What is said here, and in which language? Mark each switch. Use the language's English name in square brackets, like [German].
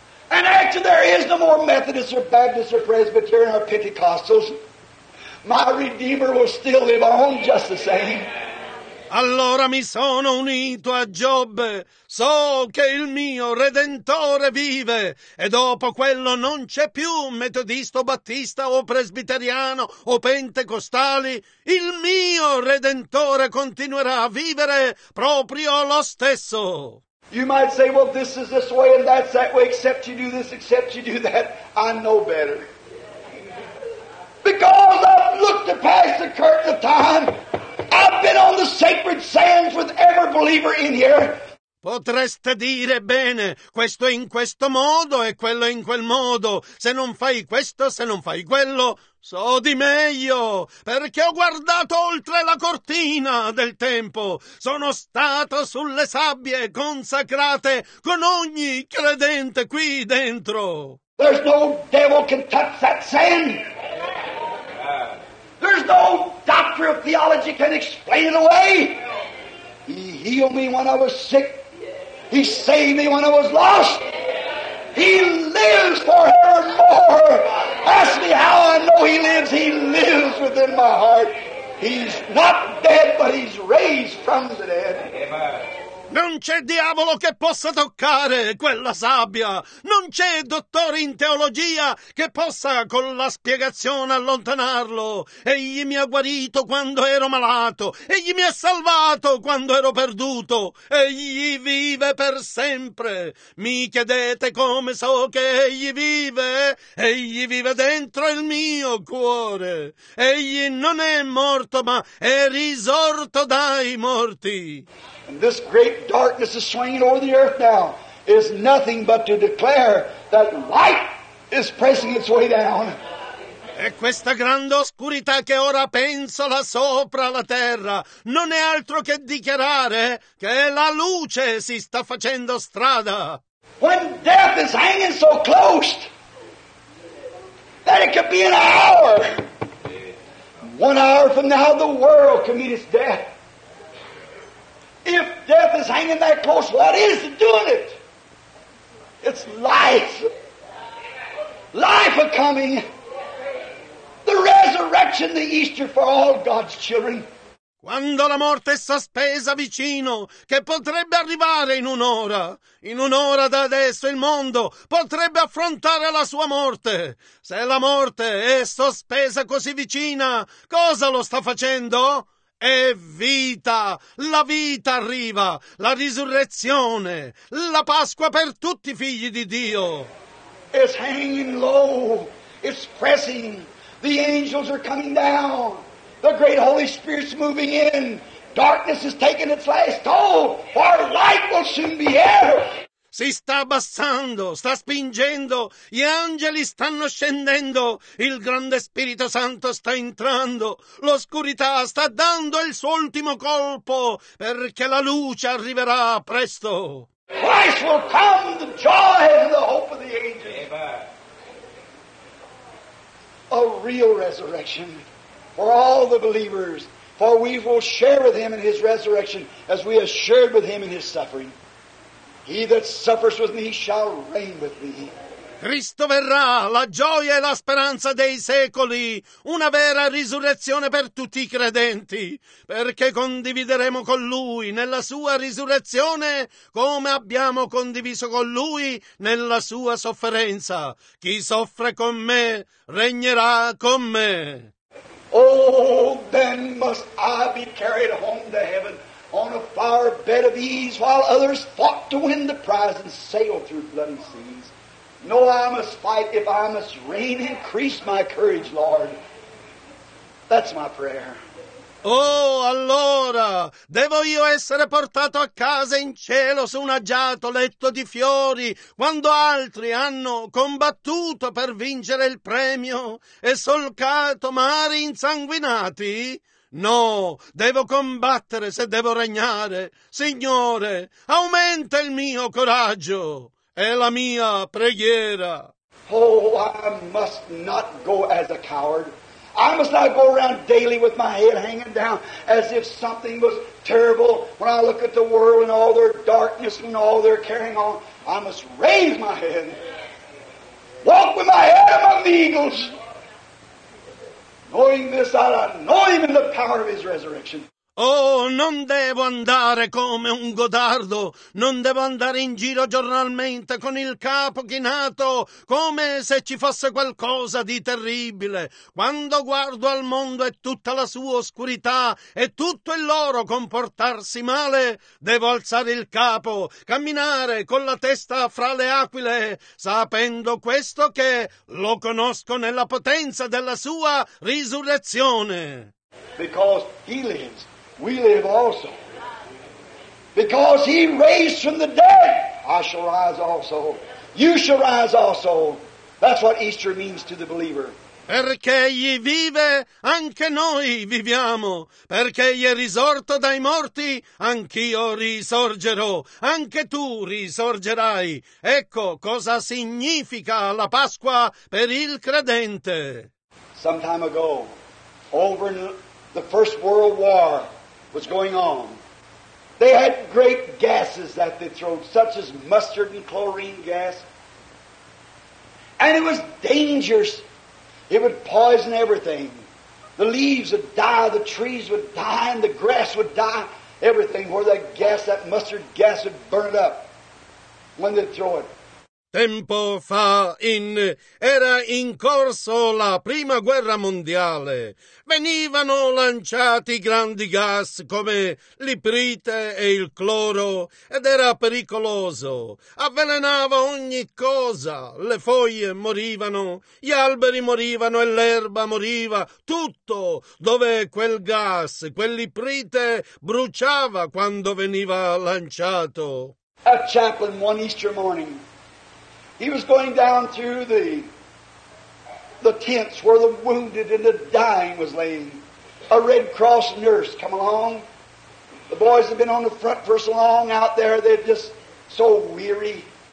[English] And actually there is no more Methodist or Baptist or Presbyterian or Pentecostals. My Redeemer will still live on just the same. [Italian] Allora mi sono unito a Giobbe, so che il mio Redentore vive, e dopo quello non c'è più metodista, battista o presbiteriano o pentecostali, il mio Redentore continuerà a vivere proprio lo stesso. [English] You might say, well, this is this way and that's that way, except you do this, except you do that. I know better. Because I've looked past the curtain of time. I've been on the sacred sands with every believer in here. [Italian] Potreste dire bene, questo è in questo modo e quello è in quel modo. Se non fai questo, se non fai quello, so di meglio, perché ho guardato oltre la cortina del tempo. Sono stato sulle sabbie consacrate con ogni credente qui dentro. [English] There's no devil can touch that sand. There's no doctor of theology can explain it away. He healed me when I was sick. He saved me when I was lost. He lives forevermore. Ask me how I know he lives. He lives within my heart. He's not dead, but he's raised from the dead. [Italian] Non c'è diavolo che possa toccare quella sabbia. Non c'è dottore in teologia che possa con la spiegazione allontanarlo. Egli mi ha guarito quando ero malato. Egli mi ha salvato quando ero perduto. Egli vive per sempre. Mi chiedete come so che egli vive? Egli vive dentro il mio cuore. Egli non è morto, ma è risorto dai morti. [English] And this great darkness is swinging over the earth now is nothing but to declare that light is pressing its way down. [Italian] E questa grande oscurità che ora pensola sopra la terra non è altro che dichiarare che la luce si sta facendo strada. [English] When death is hanging so close that it could be an hour. One hour from now the world can meet its death. If death is hanging that close, what is doing it? It's life. Life a coming. The resurrection, the Easter for all God's children. [Italian] Quando la morte è sospesa vicino, che potrebbe arrivare in un'ora da adesso il mondo potrebbe affrontare la sua morte. Se la morte è sospesa così vicina, cosa lo sta facendo? È vita, la vita arriva, la risurrezione, la Pasqua per tutti i figli di Dio. [English] It's hanging low, it's pressing, the angels are coming down, the great Holy Spirit's moving in, darkness is taking its last toll, for light will soon be here. [Italian] Si sta abbassando, sta spingendo, gli angeli stanno scendendo, il grande Spirito Santo sta entrando, l'oscurità sta dando il suo ultimo colpo, perché la luce arriverà presto. [English] Christ will come, the joy and the hope of the angels. A real resurrection for all the believers, for we will share with him in his resurrection as we have shared with him in his suffering. He that suffers with me shall reign with me. [Italian] Cristo verrà, la gioia e la speranza dei secoli, una vera risurrezione per tutti i credenti, perché condivideremo con Lui nella sua risurrezione come abbiamo condiviso con Lui nella sua sofferenza. Chi soffre con me regnerà con me. [English] Oh, then must I be carried home to heaven. On a far bed of ease, while others fought to win the prize and sailed through bloody seas. No, I must fight if I must reign. Increase my courage, Lord. That's my prayer. [Italian] Oh, allora, devo io essere portato a casa in cielo su un agiato letto di fiori, quando altri hanno combattuto per vincere il premio e solcato mari insanguinati? No, devo combattere se devo regnare. Signore, aumenta il mio coraggio. È la mia preghiera. [English] Oh, I must not go as a coward. I must not go around daily with my head hanging down as if something was terrible when I look at the world and all their darkness and all their carrying on. I must raise my head. Walk with my head among the eagles. Knowing this, I know him in the power of his resurrection. [Italian] Oh, non devo andare come un godardo. Non devo andare in giro giornalmente con il capo chinato, come se ci fosse qualcosa di terribile. Quando guardo al mondo e tutta la sua oscurità e tutto il loro comportarsi male, devo alzare il capo, camminare con la testa fra le aquile, sapendo questo che lo conosco nella potenza della sua risurrezione. [English] Because he lives. We live also. Because he raised from the dead, I shall rise also. You shall rise also. That's what Easter means to the believer. [Italian] Perché egli vive, anche noi viviamo. Perché egli è risorto dai morti, anch'io risorgerò. Anche tu risorgerai. Ecco cosa significa la Pasqua per il credente. [English] Some time ago, over in the First World War, was going on. They had great gases that they threw, such as mustard and chlorine gas. And it was dangerous. It would poison everything. The leaves would die, the trees would die, and the grass would die. Everything, where that gas, that mustard gas would burn up when they'd throw it. [Italian] Tempo fa era in corso la prima guerra mondiale. Venivano lanciati grandi gas come l'iprite e il cloro ed era pericoloso. Avvelenava ogni cosa. Le foglie morivano, gli alberi morivano e l'erba moriva. Tutto dove quel gas, quell'iprite bruciava quando veniva lanciato. [English] A chaplain one Easter morning. He was going down through the tents where the wounded and the dying was laying. A Red Cross nurse come along. The boys had been on the front for so long out there, they're just so weary.